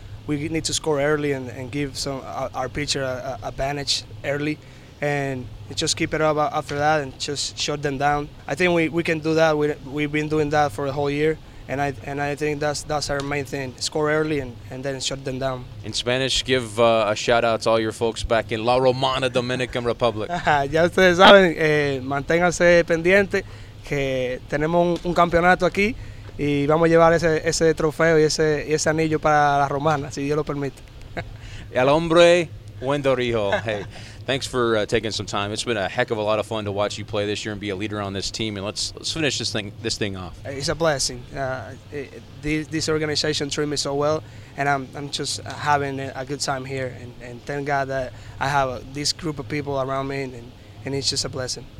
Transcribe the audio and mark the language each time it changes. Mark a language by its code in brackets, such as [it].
[en] We need to score early and give some our pitcher an advantage early. And just keep it up after that and just shut them down. I think we can do that. We've been doing that for a whole year. And I think that's our main thing, score early and then shut them down. In Spanish, give a shout-out to all your folks back in La Romana, Dominican Republic. [es] Ya ustedes saben, manténganse pendiente que tenemos un campeonato aquí y vamos a llevar ese trofeo y ese anillo para La Romana, si Dios lo permite. El hombre, [en] Wendell Rijo. Hey, thanks for taking some time. It's been a heck of a lot of fun to watch you play this year and be a leader on this team. And let's finish this thing off. It's a blessing. This organization treated me so well, and I'm just having a good time here. And thank God that I have this group of people around me, and it's just a blessing.